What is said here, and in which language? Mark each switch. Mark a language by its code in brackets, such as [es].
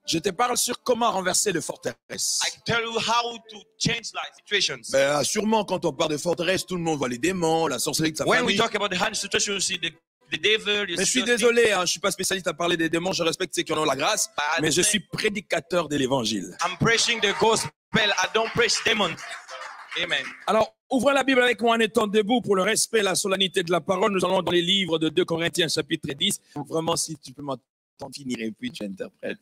[fr] Je te parle sur comment renverser les forteresses. [en] I tell you how to change life situations. [fr] Ben, sûrement, quand on parle de forteresses, tout le monde voit les démons, la sorcellerie de sa famille. [en] When we talk about the hand situation, you see the devil. [fr] Mais je suis désolé, hein, je suis pas spécialiste à parler des démons. Je respecte ceux qui en ont la grâce, mais je suis prédicateur de l'évangile. [en] I'm preaching the gospel. I don't preach demons. Amen. [fr] Alors, ouvrez la Bible avec moi en étant debout pour le respect et la solennité de la parole. Nous allons dans les livres de 2 Corinthiens, chapitre 10. Vraiment, si tu peux m'entendre finir et puis tu interprètes.